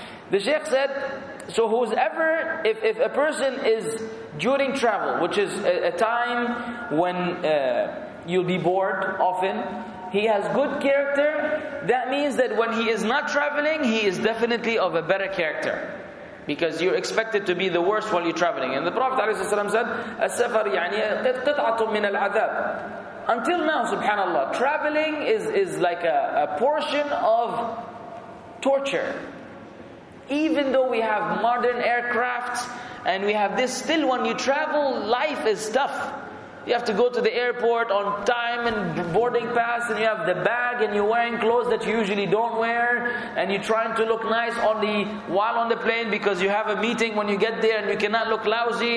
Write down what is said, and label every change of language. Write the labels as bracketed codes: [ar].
[en] The Sheikh said, so who's ever, if a person is during travel, which is a time when you'll be bored often, he has good character, that means that when he is not traveling, he is definitely of a better character. Because you're expected to be the worst while you're traveling. And the Prophet ﷺ said, [ar] السفر يعني قطعة من العذاب. [en] Until now, subhanAllah, traveling is like a portion of torture. Even though we have modern aircraft and we have this, still when you travel, life is tough. You have to go to the airport on time and boarding pass, and you have the bag, and you're wearing clothes that you usually don't wear, and you're trying to look nice on the while on the plane because you have a meeting when you get there, and you cannot look lousy.